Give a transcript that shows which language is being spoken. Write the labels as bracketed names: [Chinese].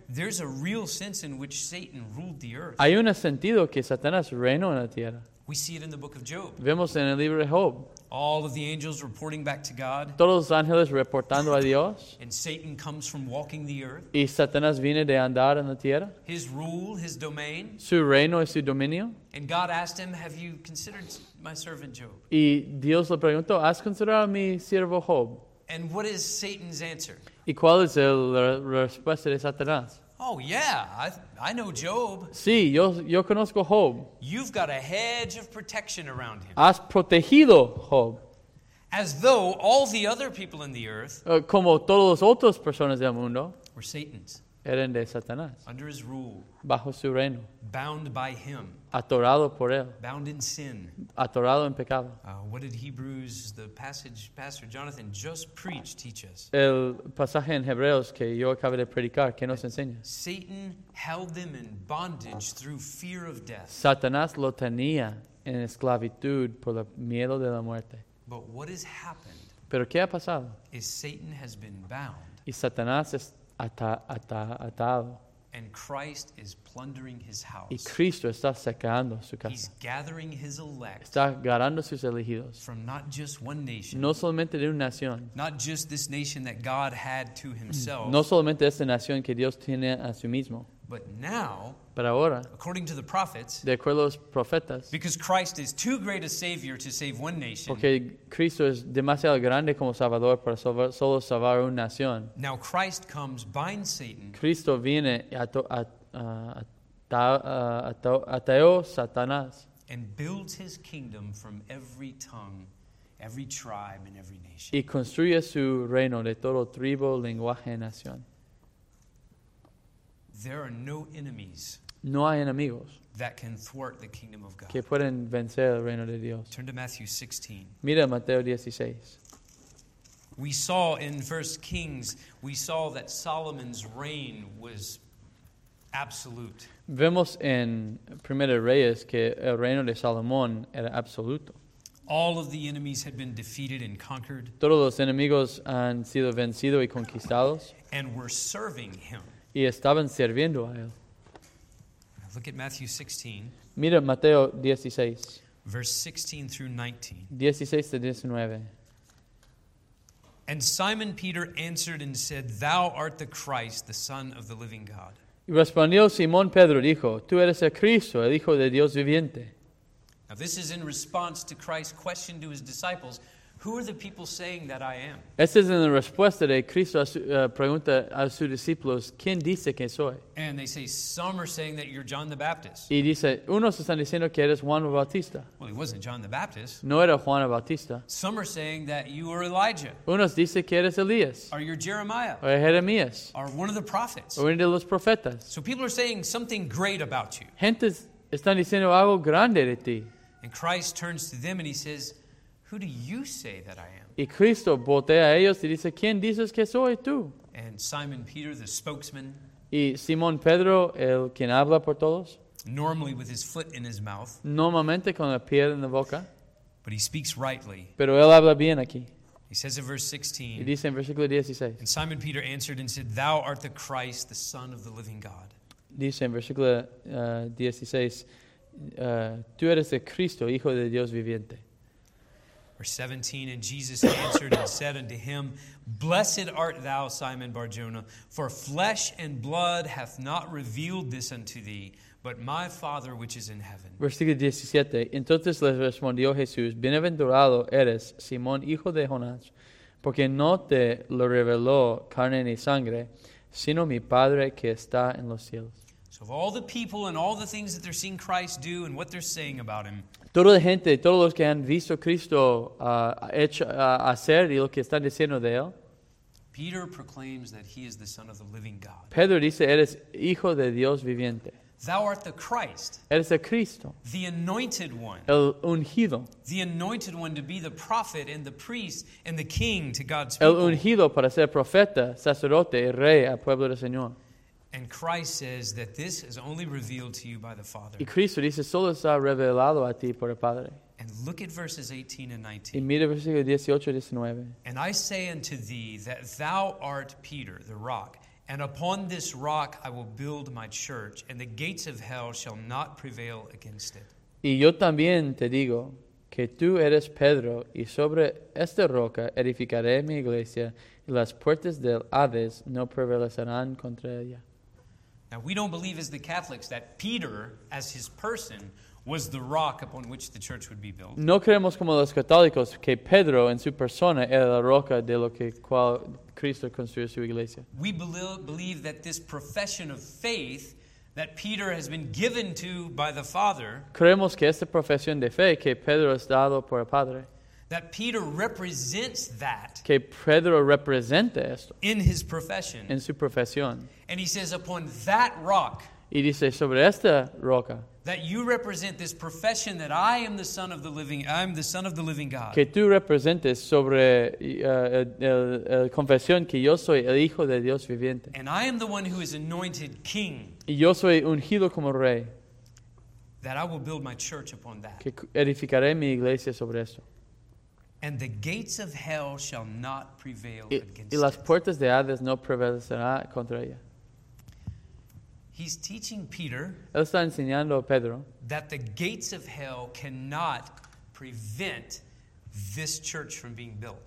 [English] There's a real sense in which Satan ruled the earth. [Spanish] Hay un sentido que Satanás reinó en la tierra. [English] We see it in the book of Job. [Spanish] Vemos en el libro de Job. [English] All of the angels reporting back to God. [Spanish] Todos los ángeles reportando a Dios. [English] And Satan comes from walking the earth. [Spanish] Y Satanás viene de andar en la tierra. [English] His rule, his domain. [Spanish] Su reino y su dominio. [English] And God asked him, "Have you considered my servant Job?" [Spanish] Y Dios le preguntó, ¿has considerado mi siervo Job? [English] And what is Satan's answer? [Spanish] ¿Y cuál es la respuesta de Satanás? [English] Oh yeah, I know Job. [Spanish] Sí, yo conozco Job. [English] You've got a hedge of protection around him. [Spanish] Has protegido Job. [English] as though all the other people in the earth [Spanish] como todos los otros personas del mundo [English] were Satan's, [Spanish] eran de Satanás, [English] under his rule, [Spanish] bajo su reino, [English] bound by him, [Spanish] atorado por él, [English] bound in sin, [Spanish] atorado en pecado. [English] What did Hebrews, the passage Pastor Jonathan just preached, teach us? [Spanish] El pasaje en Hebreos que yo acabé de predicar, ¿qué nos enseña? [English] Satan held them in bondage through fear of death. [Spanish] Satanás lo tenía en esclavitud por el miedo de la muerte. [English] But what has happened? [Spanish] Pero ¿qué ha pasado? [English] Is Satan has been bound. [Spanish] Y Satanás es atado. [English] And Christ is plundering his house. [Spanish] Y Cristo está saqueando su casa. [English] He's gathering his elect. [Spanish] Está agarrando sus elegidos. [English] From not just one nation. [Spanish] No solamente de una nación. [English] Not just this nation that God had to himself. [Spanish] No solamente esta nación que Dios tiene a sí mismo. [English] But now, [Spanish] ahora, [English] according to the prophets, [Spanish] de acuerdo a los profetas, [English] because Christ is too great a savior to save one nation, [Spanish] porque Cristo es demasiado grande como salvador para solo salvar una nación. [English] Now Christ comes, binds Satan. [Spanish] Cristo viene ateo Satanás, [English] and builds his kingdom from every tongue, every tribe, and every nation. [Spanish] Y construye su reino de todo tribu, lenguaje, nación. [English] There are no enemies, [Spanish] no hay enemigos, [English] that can thwart the kingdom of God, [Spanish] que pueden vencer el reino de Dios. [English] Turn to Matthew 16. [Spanish] Mira Mateo 16. [English] We saw in 1 Kings, we saw that Solomon's reign was absolute. [Spanish] Vemos en Primera Reyes que el reino de Salomón era absoluto. [English] All of the enemies had been defeated and conquered. [Spanish] Todos los enemigos han sido vencidos y conquistados. [English] And were serving him. [Spanish] Y estaban sirviendo a él. [English] Look at Matthew 16. [Spanish] Mira Mateo 16. [English] Verse 16 through 19. [Spanish] 16 to 19. [English] And Simon Peter answered and said, "Thou art the Christ, the Son of the living God." [Spanish] Y respondió Simón Pedro, dijo, "Tú eres el Cristo, el Hijo de Dios viviente." [English] Now this is in response to Christ's question to his disciples, "Who are the people saying that I am?" [Spanish] Esta es en la respuesta de Cristo a su pregunta a sus discípulos, "¿Quién dice que soy?" [English] And they say, "Some are saying that you're John the Baptist." [Spanish] Y dice, unos están diciendo que eres Juan el Bautista. [English] Well, he wasn't John the Baptist. [Spanish] No era Juan el Bautista. [English] Some are saying that you are Elijah. [Spanish] Unos dicen que eres Elías. [English] Or you're Jeremiah. [Spanish] O Jeremías. [English] Or one of the prophets. [Spanish] O uno de los profetas. [English] So people are saying something great about you. [Spanish] Gentes están diciendo algo grande de ti. [English] And Christ turns to them and he says, "Who do you say that I am?" [Spanish] Y Cristo voltea a ellos y dice, "¿Quién dices que soy tú?" [English] And Simon Peter, the spokesman, [Spanish] y Simón Pedro, el quien habla por todos, [English] normally with his foot in his mouth, [Spanish] normalmente con la piel en la boca, [English] but he speaks rightly, [Spanish] pero él habla bien aquí. [English] He says in verse 16, [Spanish] y dice en versículo 16, [English] and Simon Peter answered and said, "Thou art the Christ, the Son of the living God." [Spanish] Dice en versículo 16, "Tú eres el Cristo, Hijo de Dios viviente." [English] Verse 17, and Jesus answered and said unto him, "Blessed art thou, Simon Barjona, for flesh and blood hath not revealed this unto thee, but my Father which is in heaven." [Spanish] Versículo 17, entonces le respondió Jesús, "Bienaventurado eres, Simón, hijo de Jonás, porque no te lo reveló carne ni sangre, sino mi Padre que está en los cielos." [English] So of all the people and all the things that they're seeing Christ do and what they're saying about him, [Spanish] toda la gente, todos los que han visto Cristo hacer y lo que están diciendo de él, [English] Peter proclaims that he is the Son of the living God. [Spanish] Pedro dice, eres hijo de Dios viviente. [English] Thou art the Christ. [Spanish] Eres el Cristo. [English] The anointed one. [Spanish] El ungido. [English] The anointed one to be the prophet and the priest and the king to God's [Spanish] el [English] people. [Spanish] El ungido para ser profeta, sacerdote y rey al pueblo del Señor. [English] And Christ says that this is only revealed to you by the Father. [Spanish] Y Cristo dice, solo está revelado a ti por el Padre. [English] And look at verses 18 and 19. [Spanish] Y mira versículo 18 y 19. [English] And I say unto thee that thou art Peter, the rock, and upon this rock I will build my church, and the gates of hell shall not prevail against it. [Spanish] Y yo también te digo que tú eres Pedro, y sobre esta roca edificaré mi iglesia, y las puertas del Hades no prevalecerán contra ella. [English] Now, we don't believe as the Catholics that Peter, as his person, was the rock upon which the church would be built. [Spanish] No creemos como los católicos que Pedro, en su persona, era la roca de lo que cual Cristo construyó su iglesia. [English] We believe that this profession of faith that Peter has been given to by the Father, [Spanish] creemos que esta profesión de fe que Pedro es dado por el Padre, [English] That Peter represents that. [Spanish] Que Pedro representa esto. [English] In his profession. [Spanish] En su profesión. [English] And he says, upon that rock. [Spanish] Y dice, sobre esta roca. [English] That you represent this profession that I am the son of the living, I am the son of the living God. [Spanish] Que tú representes sobre la confesión que yo soy el hijo de Dios viviente. [English] And I am the one who is anointed king. [Spanish] Y yo soy ungido como rey. [English] That I will build my church upon that. [Spanish] Que edificaré mi iglesia sobre esto. [English] And the gates of hell shall not prevail against it. [Spanish] Y las puertas de Hades no prevalecerán contra ella. [English] He's teaching Peter. [Spanish] Él está enseñando a Pedro. [English] That the gates of hell cannot prevent this church from being built.